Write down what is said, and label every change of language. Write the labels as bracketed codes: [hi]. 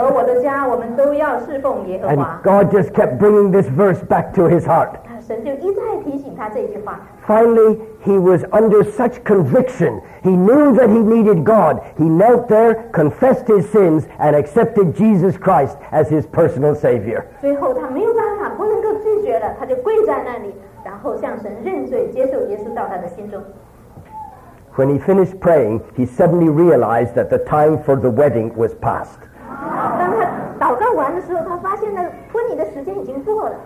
[en] And God just kept bringing this verse back to his heart. Finally, he was under such conviction. He knew that he needed God. He knelt there, confessed his sins, and accepted Jesus Christ as his personal Savior. [zh] 最后他没有办法，不能够拒绝了，他就跪在那里，然后向神认罪，接受耶稣到他的心中。 [en] When he finished praying, he suddenly realized that the time for the wedding was past. [zh] 当他祷告完的时候，他发现那婚礼的时间已经过了。